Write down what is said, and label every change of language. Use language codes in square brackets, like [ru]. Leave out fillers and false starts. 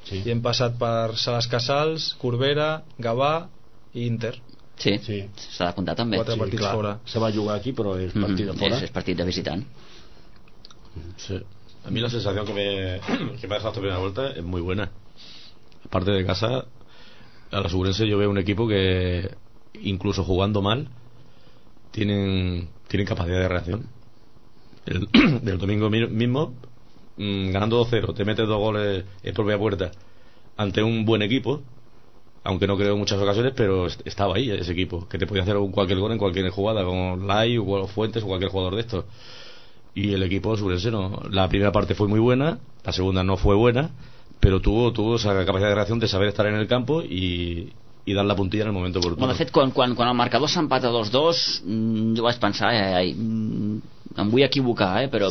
[ca] I hem passat per Sales Casals, Corbera, Gavà i Inter. Sí, s'ha de comptar també. 4 partits fora. Se va jugar aquí, però és partit de fora. És partit de visitant. Sí. A mi la sensació que m'ha deixat la primera volta és molt bona. A part de casa, a la Segurense jo veig un equip que, [es] incluso jugando mal, tienen capacidad de reacción. Del domingo mismo, ganando 2-0, te metes 2 goles en propia puerta ante un buen equipo, aunque no creo en muchas ocasiones, pero estaba ahí ese equipo, que te podía hacer cualquier gol en cualquier jugada, con Lai o Fuentes o cualquier jugador de estos. Y el equipo Segurense, no, la primera parte fue muy buena, la segunda no fue buena, pero tuvo esa capacidad de reacción, de saber estar en el campo y dar la puntilla en el momento oportuno. [ca] Bueno, de fet, quan el marcador s'empata 2-2, jo vaig pensar, em vull equivocar, però